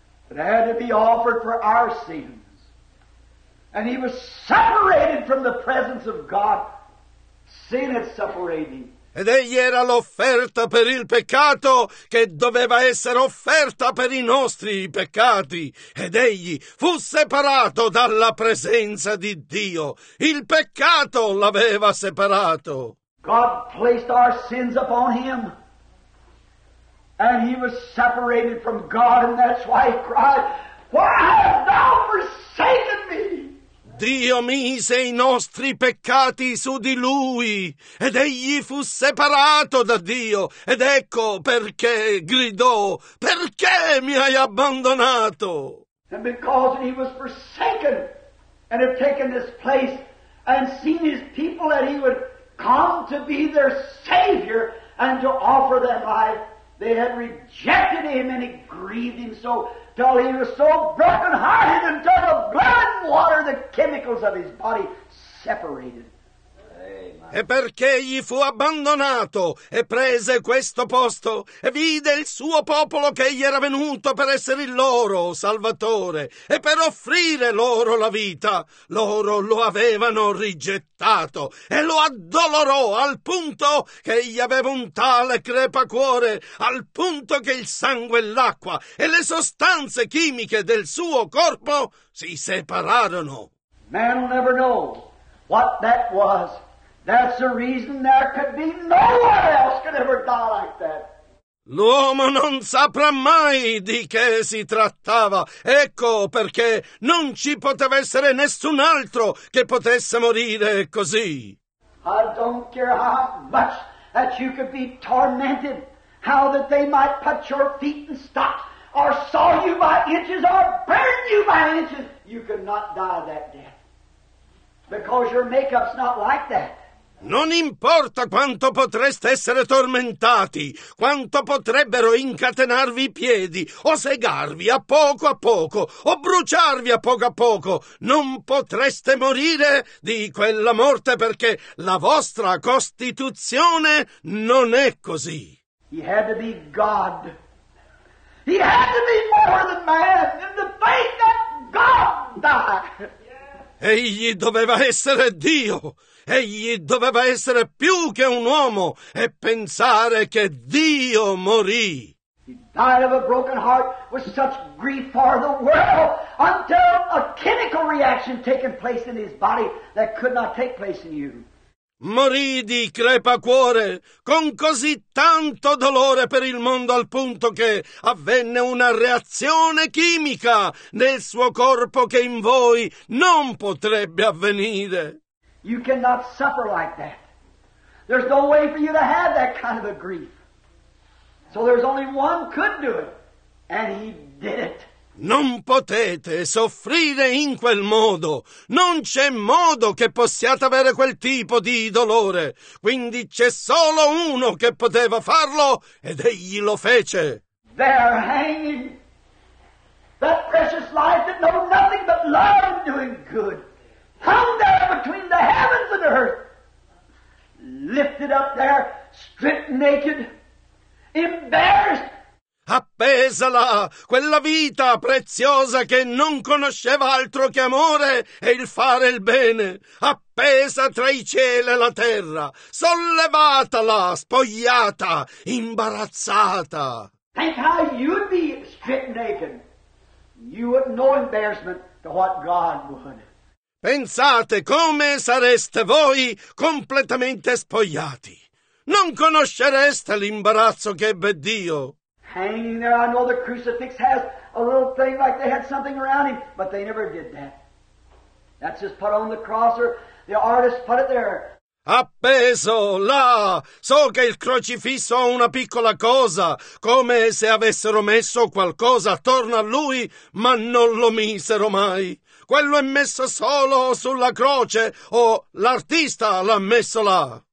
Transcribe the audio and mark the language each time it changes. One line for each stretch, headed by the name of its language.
English: It had to be offered for our sins. And he was separated from the presence of God. Sin is separating.
Italian: Ed egli era l'offerta per il peccato che doveva essere offerta per i nostri peccati. Ed egli fu separato dalla presenza di Dio. Il peccato l'aveva separato.
English: God placed our sins upon him. And he was separated from God, and that's why he cried, "Why hast thou forsaken me?"
Italian: Dio mise i nostri peccati su di lui, ed egli fu separato da Dio, ed ecco perché gridò, "Perché mi hai abbandonato?"
English: And because he was forsaken, and had taken this place, and seen his people, that he would come to be their Savior, and to offer them life. They had rejected him, and he grieved him so till he was so broken-hearted until the blood and water, the chemicals of his body, separated.
Italian: E perché egli fu abbandonato e prese questo posto e vide il suo popolo che gli era venuto per essere il loro salvatore e per offrire loro la vita. Loro lo avevano rigettato e lo addolorò al punto che egli aveva un tale crepacuore, al punto che il sangue e l'acqua e le sostanze chimiche del suo corpo si separarono.
English: Man will never know what that was. That's the reason there could be no one else could ever die like that.
Italian: L'uomo non saprà mai di che si trattava. Ecco perché non ci poteva essere nessun altro che potesse morire così.
English: I don't care how much that you could be tormented, how that they might put your feet in stocks, or saw you by inches, or burn you by inches. You could not die that death, because your makeup's not like that.
Italian: Non importa quanto potreste essere tormentati, quanto potrebbero incatenarvi i piedi, o segarvi a poco, o bruciarvi a poco, non potreste morire di quella morte perché la vostra costituzione non è così.
English: He had to be God. He had to be more than man in the faith that God died.
Italian: Egli doveva essere Dio. Egli doveva essere più che un uomo e pensare che Dio morì.
English: He died of a broken heart with such grief for the world until a chemical reaction taking place in his body that could not take place in you.
Italian: Morì di crepacuore con così tanto dolore per il mondo al punto che avvenne una reazione chimica nel suo corpo che in voi non potrebbe avvenire.
English: You cannot suffer like that. There's no way for you to have that kind of a grief. So there's only one could do it, and he did it.
Italian: Non potete soffrire in quel modo. Non c'è modo che possiate avere quel tipo di dolore. Quindi c'è solo uno che poteva farlo, ed egli lo fece.
English: There hanging that precious life that knows nothing but love and doing good. Hung there between the heavens and earth. Lifted up there, stripped naked, embarrassed.
Italian: Appesa là, quella vita preziosa che non conosceva altro che amore e il fare il bene, appesa tra i cieli e la terra, sollevata là, spogliata, imbarazzata.
English: Think how you'd be stripped naked. You would no embarrassment to what God would.
Italian: Pensate come sareste voi completamente spogliati. Non conoscereste l'imbarazzo che ebbe Dio.
English: Hanging there, I know the crucifix has a little thing like they had something around him, but they never did that. That's just put on the cross, or the artist put it there.
Italian: Appeso là, so che il crocifisso ha una piccola cosa, come se avessero messo qualcosa attorno a lui, ma non lo misero mai. Quello è messo solo sulla croce, o l'artista l'ha messo là.